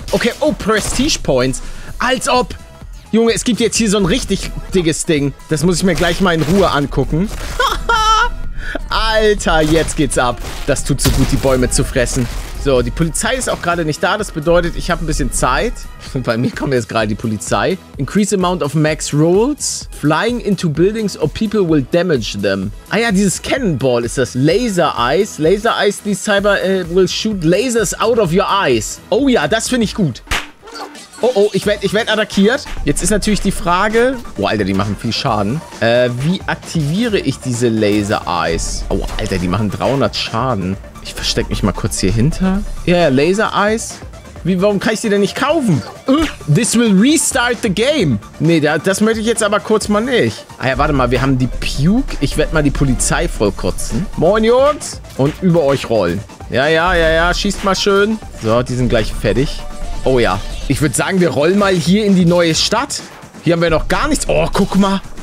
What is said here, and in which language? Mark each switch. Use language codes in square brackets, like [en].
[de] Okay, oh, Prestige Points. Als ob... Junge, es gibt jetzt hier so ein richtig dickes Ding. Das muss ich mir gleich mal in Ruhe angucken. Alter, jetzt geht's ab. Das tut so gut, die Bäume zu fressen. So, die Polizei ist auch gerade nicht da. Das bedeutet, ich habe ein bisschen Zeit. Bei mir kommt jetzt gerade die Polizei. [en] Increase amount of max rolls. Flying into buildings or people will damage them. [de] Ah ja, dieses Cannonball ist das. Laser Eyes. [en] Laser Eyes, these cyber will shoot lasers out of your eyes. [de] Oh ja, das finde ich gut. Oh, oh, ich werd attackiert. Jetzt ist natürlich die Frage... Oh, Alter, die machen viel Schaden. Wie aktiviere ich diese Laser Eyes? Oh, Alter, die machen 300 Schaden. Ich versteck mich mal kurz hier hinter. Ja, yeah, Laser Eyes. Warum kann ich die denn nicht kaufen? [en] This will restart the game. [de] Nee, das möchte ich jetzt aber kurz mal nicht. Ah ja, warte mal, wir haben die Puke. Ich werde mal die Polizei vollkotzen. Moin, Jungs. Und über euch rollen. Ja, ja, ja, ja, schießt mal schön. So, die sind gleich fertig. Oh ja, Ich würde sagen, wir rollen mal hier in die neue Stadt. Hier haben wir noch gar nichts. Oh, guck mal.